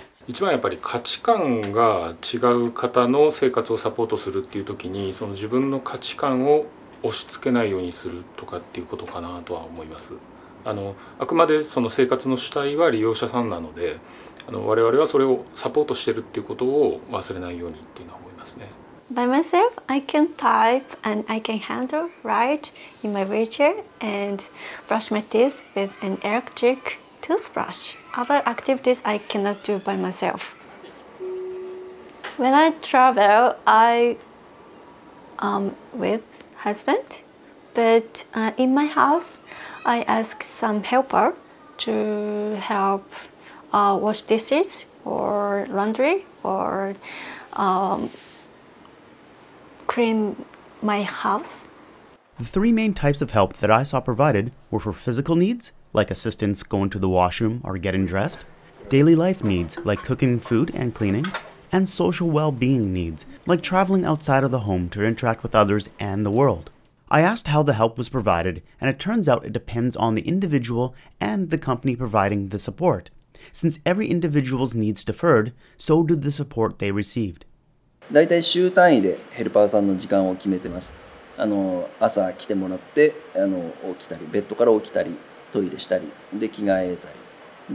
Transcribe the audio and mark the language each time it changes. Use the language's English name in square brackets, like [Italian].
[Japanese] 一番やっぱり価値観が違う方の生活をサポートするっていう時に、その自分の価値観を押し付けないようにするとかっていうことかなとは思います。あくまでその生活の主体は利用者さんなので、我々はそれをサポートしてるっていうことを忘れないようにっていうのは思いますね。 [English] By myself, I can type and I can handle write in my wheelchair and brush my teeth with an electric toothbrush. Other activities I cannot do by myself. When I travel, I am with husband, but in my house, I ask some helper to help wash dishes or laundry or clean my house. The three main types of help that I saw provided were for physical needs, like assistance going to the washroom or getting dressed, daily life needs, like cooking food and cleaning, and social well-being needs, like traveling outside of the home to interact with others and the world. I asked how the help was provided, and it turns out it depends on the individual and the company providing the support. Since every individual's needs differed, so did the support they received. [Japanese] 大体週単位でヘルパーさんの時間を決めてます。朝来てもらって、起きたり、ベッドから起きたり、トイレしたり、で着替えたり。